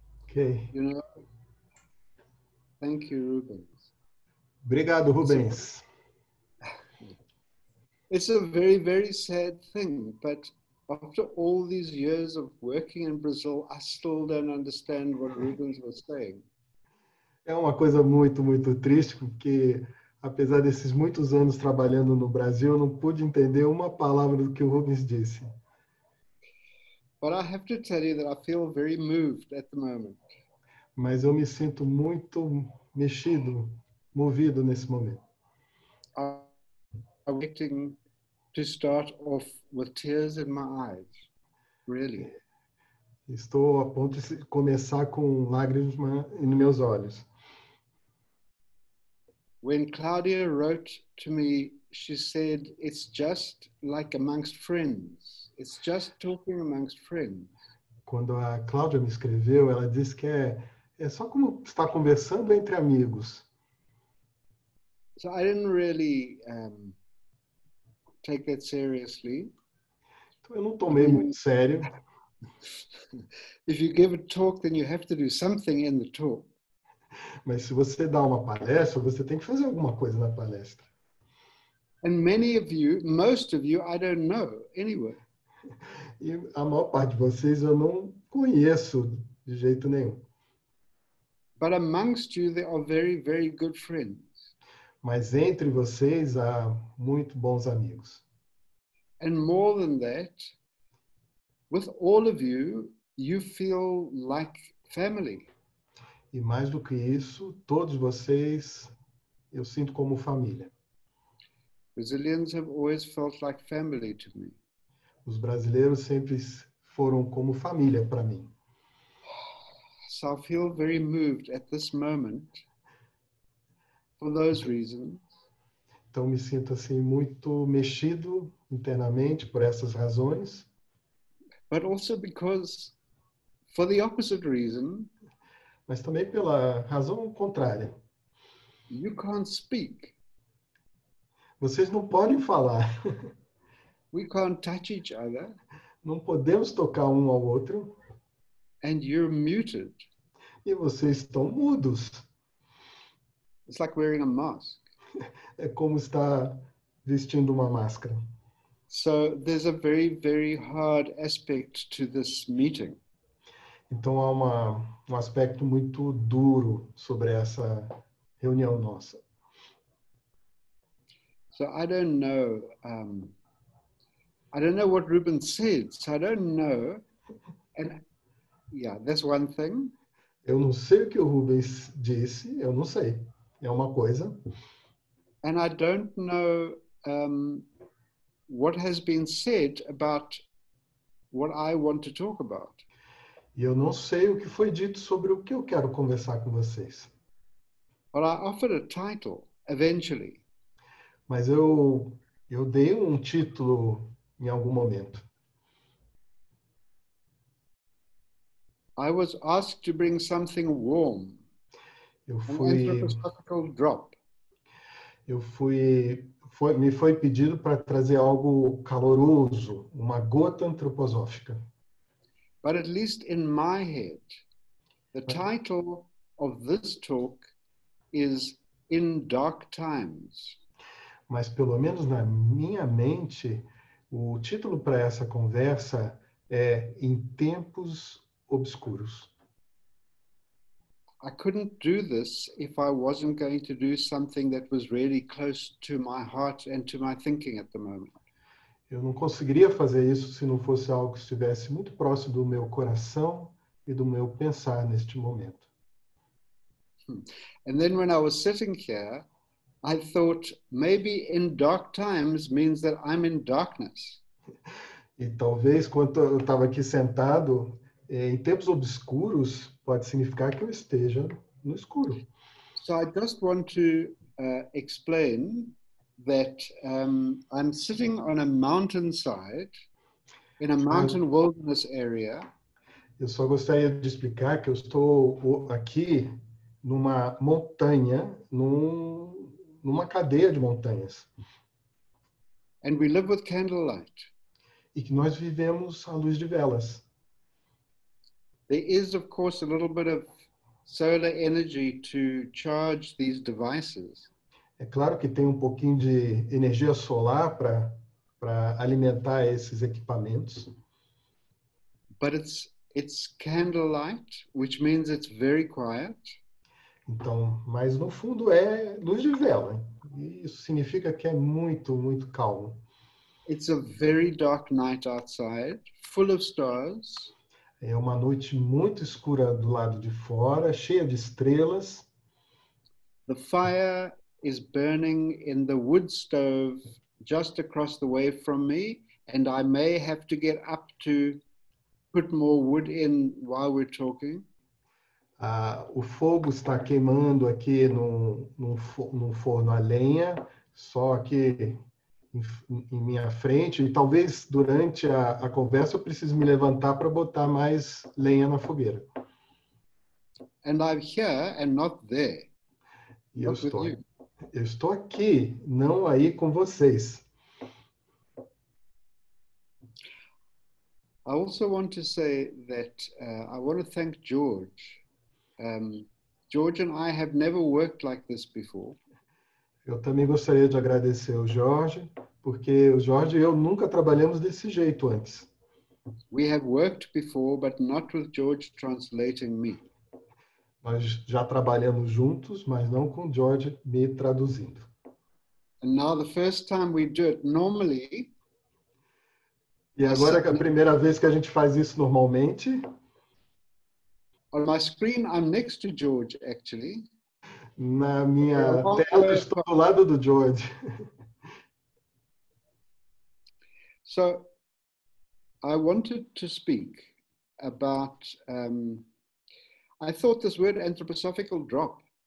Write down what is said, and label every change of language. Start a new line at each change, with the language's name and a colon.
English: Okay. You know, thank you, Rubens.
Portuguese: Obrigado, Rubens.
English: It's a very, very sad thing, but after all these years of working in Brazil, I still don't understand what Rubens was saying.
Portuguese: É uma coisa muito, muito triste, porque apesar desses muitos anos trabalhando no Brasil, eu não pude entender uma palavra do que o Rubens disse.
English: But I have to tell you that I feel very moved at the moment.
Portuguese: Mas eu me sinto muito mexido, movido nesse momento.
English: I'm waiting to start off with tears in my eyes, really.
Portuguese: Estou a ponto de começar com lágrimas em meus olhos.
English: When Claudia wrote to me, she said, it's just like amongst friends. It's just talking amongst friends.
Portuguese: Quando a Cláudia me escreveu, ela disse que é só como estar conversando entre amigos.
English: So I didn't really take that seriously.
Portuguese: Então eu não tomei muito sério.
English: If you give a talk, then you have to do something in the talk.
Portuguese: Mas se você dá uma palestra, você tem que fazer alguma coisa na palestra.
English: And many of you, most of you, I don't know anyway.
Portuguese: E a maior parte de vocês eu não conheço de jeito nenhum.
English: But amongst you, there are very, very good friends.
Portuguese: Mas entre vocês há muito bons amigos.
English: And more than that, with all of you, you feel like family.
Portuguese: E mais do que isso, todos vocês, eu sinto como família.
English: Brazilians have always felt like family to me.
Portuguese: Os brasileiros sempre foram como família para mim.
English: So I feel very moved at this moment for those reasons.
Portuguese: Então me sinto assim muito mexido internamente por essas razões.
English: But also because, for the opposite reason,
Portuguese: Mas também pela razão contrária.
English: you can't speak.
Portuguese: Vocês não podem falar.
English: We can't touch each other.
Portuguese: Não podemos tocar um ao outro.
English: And you're muted.
Portuguese: E vocês estão mudos.
English: It's like wearing a mask.
Portuguese: É como estar vestindo uma máscara.
English: So there's a very, very hard aspect to this meeting.
Portuguese: Então há um aspecto muito duro sobre essa reunião nossa.
English: So I don't know. I don't know what Ruben said. So I don't know. And yeah, that's one thing.
Portuguese: Eu não sei o que o Rubens disse. Eu não sei. É uma coisa.
English: And I don't know what has been said about what I want to talk about.
Portuguese: E eu não sei o que foi dito sobre o que eu quero conversar com vocês.
English: But I offered a title eventually.
Portuguese: Mas eu dei um título em algum momento.
English: I was asked to bring something warm.
Portuguese: Eu fui
English: Antroposophical drop.
Portuguese: Me foi pedido para trazer algo caloroso, uma gota antroposófica.
English: But at least in my head, the title of this talk is In Dark Times.
Portuguese: Mas pelo menos na minha mente, o título para essa conversa é Em Tempos Obscuros.
English: I couldn't do this if I wasn't going to do something that was really close to my heart and to my thinking at the moment.
Portuguese: Eu não conseguiria fazer isso se não fosse algo que estivesse muito próximo do meu coração e do meu pensar neste momento.
English: And then when I was sitting here, I thought maybe in dark times means that I'm in darkness.
Portuguese: E talvez quando eu estava aqui sentado, em tempos obscuros, pode significar que eu esteja no escuro.
English: So I just want to explain that I'm sitting on a mountainside in a mountain wilderness area.
Portuguese: Eu só gostaria de explicar que eu estou aqui numa montanha, numa cadeia de montanhas.
English: And we live with candlelight.
Portuguese: E que nós vivemos à luz de velas.
English: There is, of course, a little bit of solar energy to charge these devices.
Portuguese: É claro que tem um pouquinho de energia solar para alimentar esses equipamentos.
English: But it's candlelight, which means it's very quiet.
Portuguese: Então, mas no fundo é luz de vela. Isso significa que é muito, muito calmo.
English: It's a very dark night outside, full of stars.
Portuguese: É uma noite muito escura do lado de fora, cheia de estrelas.
English: The fire is burning in the wood stove just across the way from me, and I may have to get up to put more wood in while we're talking.
Portuguese: O fogo está queimando aqui no forno a lenha, só aqui em minha frente. E talvez durante a conversa eu precise me levantar para botar mais lenha na fogueira.
English: And I'm here and not there.
Portuguese: E eu estou aqui, não aí com vocês.
English: I also want to say that I want to thank George. George and I have never worked like this before.
Portuguese: Eu também gostaria de agradecer ao Jorge, porque o Jorge e eu nunca trabalhamos desse jeito antes.
English: We have worked before, but not with George translating me.
Portuguese: Nós já trabalhamos juntos, mas não com George me traduzindo.
English: And now the first time we do it normally.
Portuguese: E agora que é a primeira vez que a gente faz isso normalmente.
English: On my screen, I'm next to George, actually.
Portuguese: Na minha tela, estou ao lado do George.
English: So, I wanted to speak about. I thought this word anthroposophical drop.